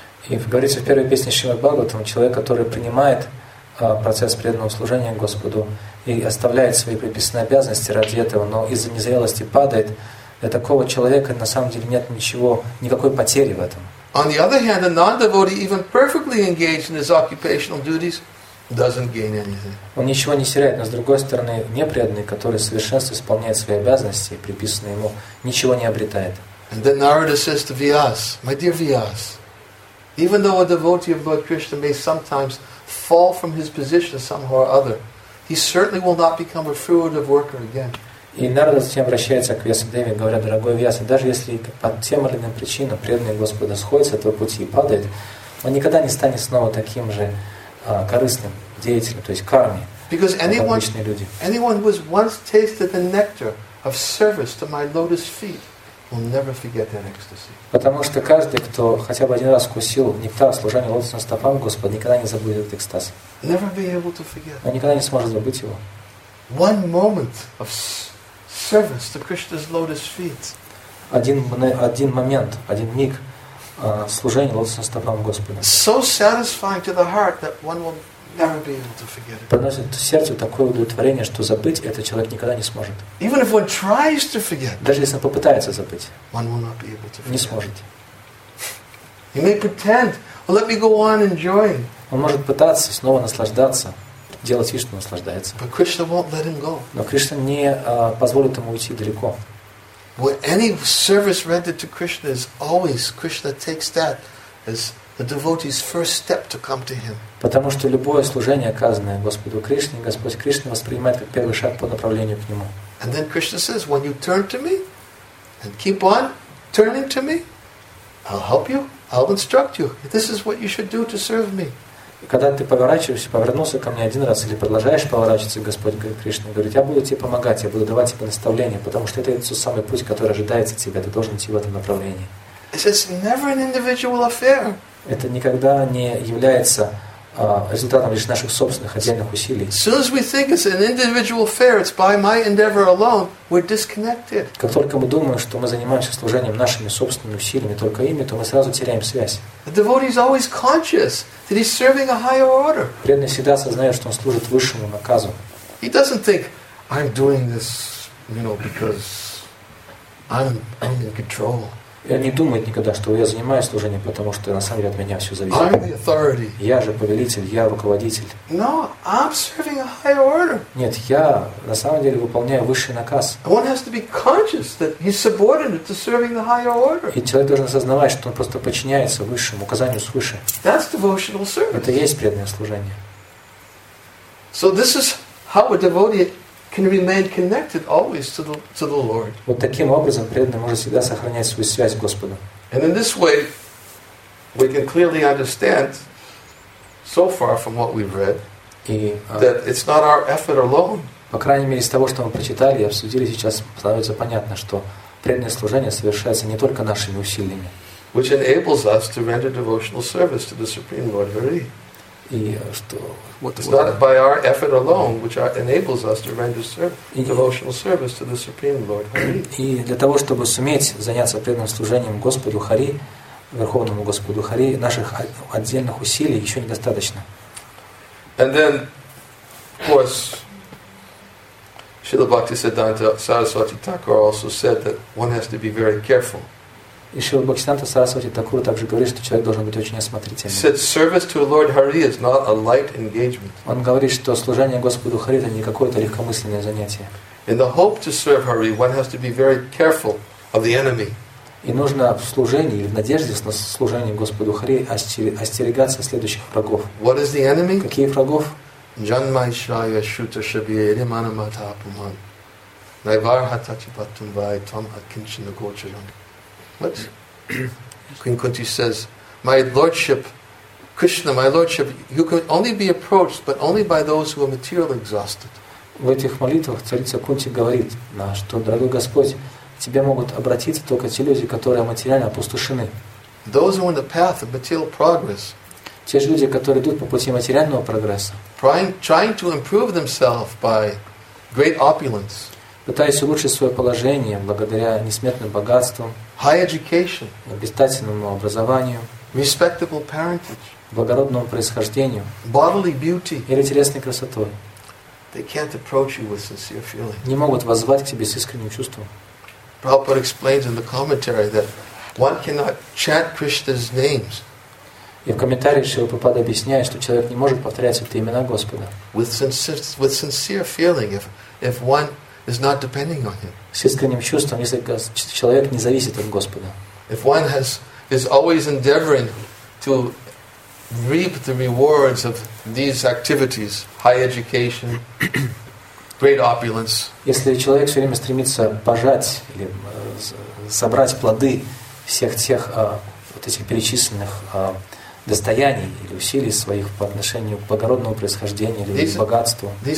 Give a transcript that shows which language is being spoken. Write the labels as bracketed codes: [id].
[ru] И говорится в первой песне Шримад Бхагаватам, человек, который принимает процесс преданного служения Господу и оставляет свои приписанные обязанности ради этого, но из-за незрелости падает, для такого человека на самом деле нет ничего, никакой потери в этом. [en] On the other hand, a non-devotee, even perfectly engaged in his occupational duties, doesn't gain anything. [ru] Он ничего не теряет, но с другой стороны, непреданный, который в совершенстве исполняет свои обязанности, приписанные ему, ничего не обретает. [en] And then Narada says to Vyas, my dear Vyas, even though a devotee of Lord Krishna may sometimes fall from his position somehow or other, he certainly will not become a fruitive worker again. [ru] И Нарада затем обращается к Вьясадеве, говоря: дорогой Вьяса, даже если по тем или иным причинам преданный Господа сходит с этого пути и падает, он никогда не станет снова таким же корыстным деятелем, то есть карми. [en] Because anyone who has once tasted the nectar of service to my lotus feet will never forget that ecstasy. [ru] Потому что каждый, кто хотя бы один раз вкусил нектар служения лотосным стопам Господа, никогда не забудет этот экстаз. [en] Never be able to forget. [ru] Он никогда не сможет забыть его. [en] One moment of service to Krishna's lotus feet. [ru] Один момент, один миг служения лотосным стопам Господа. [en] So satisfying to the heart that one will never be able to forget it. [ru] Приносит сердцу такое удовлетворение, что забыть этот человек никогда не сможет. [en] Even if one tries to forget, [ru] даже если он попытается забыть, [en] one will not be able to forget. [ru] Не сможет. [en] He may pretend, or let me go on enjoying. [ru] Он может пытаться снова наслаждаться, делать вид, что наслаждается. [en] But Krishna won't let him go. [ru] Но Кришна не позволит ему уйти далеко. [en] When any service rendered to Krishna is always, Krishna takes that as the devotee's first step to come to him. [ru] Потому что любое служение, оказанное Господу Кришне, Господь Кришна воспринимает как первый шаг по направлению к Нему. [en] And then Krishna says, when you turn to me and keep on turning to me, I'll help you, I'll instruct you. This is what you should do to serve me. [ru] Когда ты повернулся ко мне один раз или продолжаешь поворачиваться, Господь Кришна говорит, я буду тебе помогать, я буду давать тебе наставления, потому что это тот самый путь, который ожидается тебя, ты должен идти в этом направлении. [en] It's never an individual affair. [ru] Это никогда не является результатом лишь наших собственных отдельных усилий. [en] As soon as we think it's an individual affair, it's by my endeavor alone, we're disconnected. [ru] Как только мы думаем, что мы занимаемся служением нашими собственными усилиями, только ими, то мы сразу теряем связь. [en] The devotee is always conscious that he's serving a higher order. [ru] Преданный всегда осознает, что он служит высшему наказу. [en] He doesn't think, I'm doing this, you know, because I'm in control. [ru] Я не думаю никогда, что я занимаюсь служением, потому что на самом деле от меня все зависит. Я же повелитель, я руководитель. [en] No, I'm serving a higher order. [ru] Нет, я на самом деле выполняю высший наказ. [en] One has to be conscious that he's subordinate to serving the higher order. [ru] И человек должен осознавать, что он просто подчиняется высшему указанию свыше. [en] That's devotional service. [ru] Это есть преданное служение. [en] So this is how a devotee can remain connected always to the Lord. [ru] Вот таким образом преданный может всегда сохранять свою связь с Господом. [en] And in this way, we can clearly understand, so far from what we've read, that it's not our effort alone. [ru] По крайней мере, из того, что мы прочитали и обсудили сейчас, становится понятно, что преданное служение совершается не только нашими усилиями. [en] Which enables us to render devotional service to the Supreme Lord Hari. not by our effort alone, which enables us to render devotional service to the Supreme Lord Hari. [ru] И для того, чтобы суметь заняться преданным служением Господу Хари, Верховному Господу Хари, наших отдельных усилий еще недостаточно. [en] And then, of course, Śrīla Bhaktisiddhānta Sarasvati Thakura also said that one has to be very careful. [ru] И Шрила Бхактисиддханта Сарасвати Такур также говорит, что человек должен быть очень осмотрительным. [en] He said, service to Lord Hari is not a light engagement. [ru] Он говорит, что служение Господу Хари это не какое-то легкомысленное занятие. [en] In the hope to serve Hari, one has to be very careful of the enemy. [ru] И нужно в служении или в надежде на служение Господу Хари остерегаться следующих врагов. [en] What is the enemy? [ru] Каких врагов? [sa] Janmaishaya Shuta Shabiya Rimanamata Apuman Naivar Hatachipatumbai Tom Akinchin Gocharan. [en] What? Queen Kunti says, my lordship, Krishna, my lordship, you can only be approached, but only by those who are materially exhausted. [ru] В этих молитвах царица Кунти говорит, что, дорогой Господь, к тебе могут обратиться только те люди, которые материально опустошены. [en] Those who are on the path of material progress. [ru] Те же люди, которые идут по пути материального прогресса. [en] Trying to improve themselves by great opulence. [ru] Пытаясь улучшить свое положение благодаря несметным богатствам, [en] high education, [ru] обязательному образованию, [en] respectable parentage, [ru] благородному происхождению, [en] bodily beauty, [ru] или телесной красотой, [en] they can't approach you with sincere feeling. [ru] Не могут воззвать к тебе с искренним чувством. [en] Prabhupada explains in the commentary that one cannot chant Krishna's names. [ru] И в комментариях Шрила Прабхупада объясняет, что человек не может повторять святые имена Господа. [en] With sincere feeling, if one is not depending on him. [ru] С искренним чувством, если человек не зависит от Господа. [en] If one is always endeavoring to reap the rewards of these activities, high education, great opulence. [ru] Если человек все время стремится пожать или собрать плоды всех тех вот этих перечисленных достояний или усилий своих по отношению к благородному происхождению или к богатству.